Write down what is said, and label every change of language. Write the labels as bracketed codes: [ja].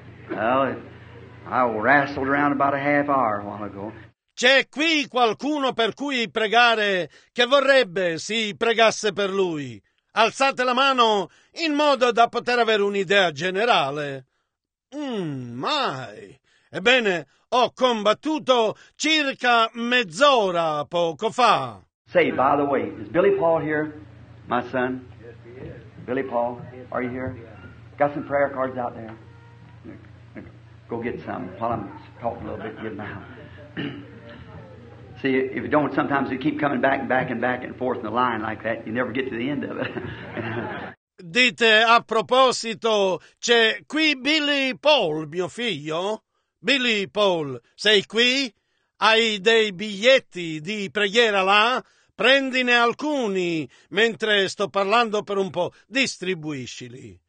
[en] Well, I wrestled around about a half hour a while ago. [it] C'è qui qualcuno per cui pregare che vorrebbe si pregasse per lui? Alzate la mano in modo da poter avere un'idea generale. Mai. Ebbene, ho combattuto circa mezz'ora poco fa. [en] Say, by the way, is Billy Paul here, my son? Yes, he is. Billy Paul, are you here? Got some prayer cards out there? Go get some while I'm talking a little bit. Give them out. See, if you don't, sometimes you keep coming back and back and back and forth in the line like that, you never get to the end of it. [it] Dite, a proposito, c'è qui Billy Paul, mio figlio? Billy Paul, sei qui? Hai dei biglietti di preghiera là? Prendine alcuni mentre sto parlando per un po', distribuiscili.